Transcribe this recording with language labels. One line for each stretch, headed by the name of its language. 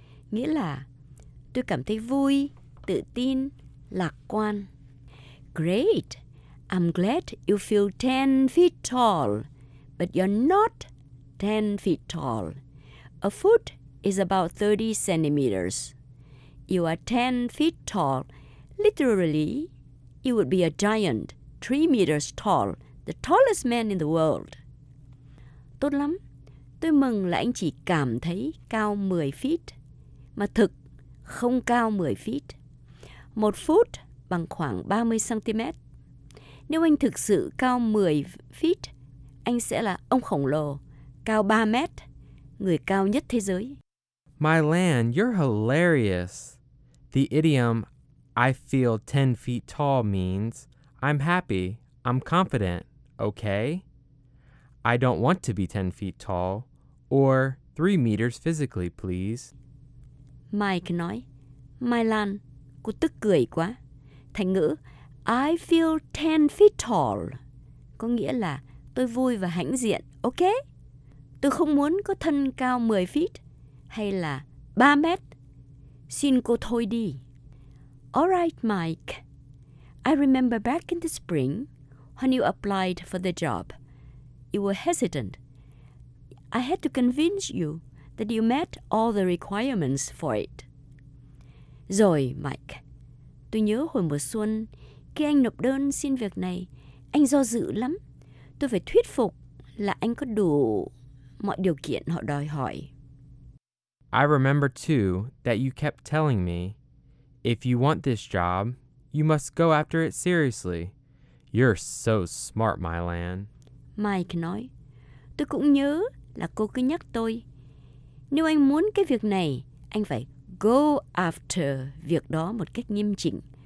Vietnamese: Nghĩa là, tôi cảm thấy vui, tự tin, lạc quan.
English: Great. I'm glad you feel 10 feet tall, but you're not 10 feet tall. A foot is about 30 centimeters. You are 10 feet tall. Literally, you would be a giant, 3 meters tall, the tallest man in the world.
Vietnamese: Tốt lắm. Tôi mừng là anh chỉ cảm thấy cao 10 feet, mà thực không cao 10 feet. Một foot bằng khoảng 30 centimeters. Nếu anh thực sự cao 10 feet, anh sẽ là ông khổng lồ, cao 3 mét, người cao nhất thế giới.
English: Mylan, you're hilarious. The idiom, I feel 10 feet tall means, I'm happy, I'm confident, okay? I don't want to be 10 feet tall, or 3 meters physically, please.
Vietnamese: Mike nói, Mylan, cô tức cười quá. Thành ngữ,
English: I feel 10 feet tall.
Vietnamese: Có nghĩa là tôi vui và hãnh diện, ok? Tôi không muốn có thân cao 10 feet hay là 3 mét. Xin cô thôi đi.
English: All right, Mike. I remember back in the spring when you applied for the job. You were hesitant. I had to convince you that you met all the requirements for it.
Vietnamese: Rồi, Mike. Tôi nhớ hồi mùa xuân, khi anh nộp đơn xin việc này, anh do dự lắm. Tôi phải thuyết phục là anh có đủ mọi điều kiện họ đòi hỏi.
English: I remember too that you kept telling me, if you want this job, you must go after it seriously. You're so smart, Mylan.
Vietnamese: Mike nói, tôi cũng nhớ là cô cứ nhắc tôi, nếu anh muốn cái việc này, anh phải go after việc đó một cách nghiêm chỉnh.